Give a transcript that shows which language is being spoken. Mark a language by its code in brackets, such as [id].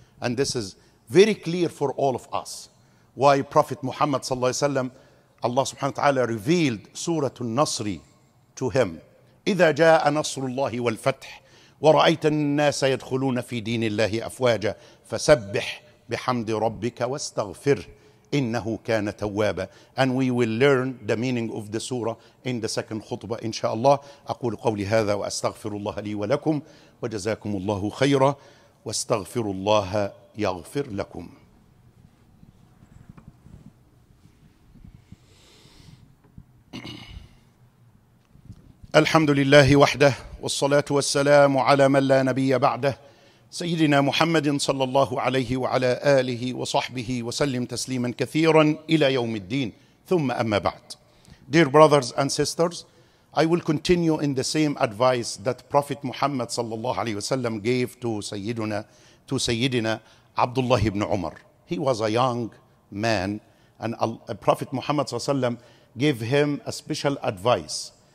[en] And this is very clear for all of us why Prophet Muhammad sallallahu alayhi wa sallam, Allah subhanahu wa ta'ala revealed Surah An-Nasr to him. [ar] إِذَا جَاءَ نَصْرُ اللَّهِ وَالْفَتْحِ وَرَأَيْتَ النَّاسَ يَدْخُلُونَ فِي دِينِ اللَّهِ أَفْوَاجًا فَسَبِّحْ بِحَمْدِ رَبِّكَ وَاسْتَغْفِرْهُ إِنَّهُ كَانَ تَوَّابًا. [en] And we will learn the meaning of the surah in the second khutbah, inshallah. [ar] أقول قولي هذا وأستغفر الله لي ولكم وجزاكم الله خيرا واستغفر الله يغفر لكم. الحمد لله وحده والصلاة والسلام على من لا نبي بعده سيدنا محمد صلى الله عليه وعلى آله وصحبه وسلم تسليما كثيرا إلى يوم الدين ثم أما بعد. [en] Dear brothers and sisters, I will continue in the same advice that Prophet Muhammad [ar] صلى الله عليه وسلم [en] gave to Sayyidina Abdullah ibn Umar. He was a young man and Prophet Muhammad [ar] صلى الله عليه وسلم [en] gave him a special advice.